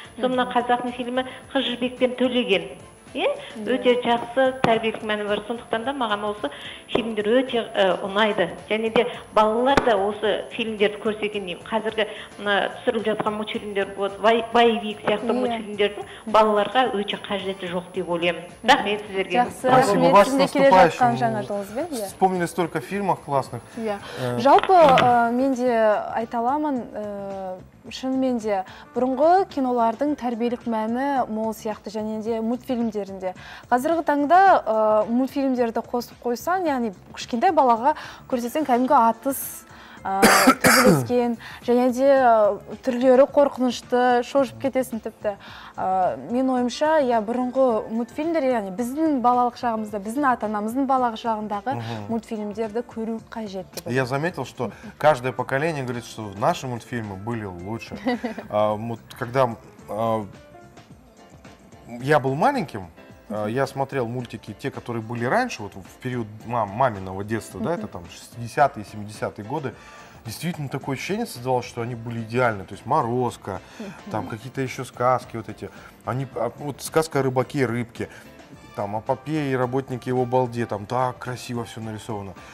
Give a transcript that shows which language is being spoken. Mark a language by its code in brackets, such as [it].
[kk] Сонда қазақтың фильмі «Қыз Жібек пен Төлеген». Өте жақсы тәрбиелік мәні бар. Сондықтан да маған осы фильмдер өте ұнайды. Және де балалар да осы фильмдерді көрсегенде, қазіргі түсіріліп жатқан мультфильмдер, «Байбек» сияқты мультфильмдердің балаларға өте қажеті жоқ деп ойлаймын. Рахмет сіздерге. [ru] Спасибо, вас с наступающим. [kk] Жаңа жылыңызбен. [ru] Вспомнили столько фильмов классных. [kk] Жалпы мен де айта аламын, шынымен де бұрынғы кинолардың тәрбиелік мәні мол сияқты, және де мультфильмдерінде. Қазіргі таңда мультфильмдерді қосып қойсаң, яғни кішкентай балаға көрсетсең, кәдімгі атыс, төбелескен, және де түрлері қорқынышты, шошып кетесің тіпті. Мен ойымша, я бұрынғы мультфильмдер, яғни біздің балалық шағымызда, біздің ата-анамыздың балалық шағындағы мультфильмдерді көру қажет. [ru] Я заметил, что каждое поколение говорит, что наши мультфильмы были лучше. Когда я был маленьким, я смотрел мультики, те, которые были раньше, вот в период маминого детства, да, это там 60-е, 70-е годы, действительно такое ощущение создавалось, что они были идеальны, то есть «Морозко», там какие-то еще сказки вот эти, они, вот сказка о рыбаке и рыбке, там о попе и работнике его балде, там так красиво все нарисовано.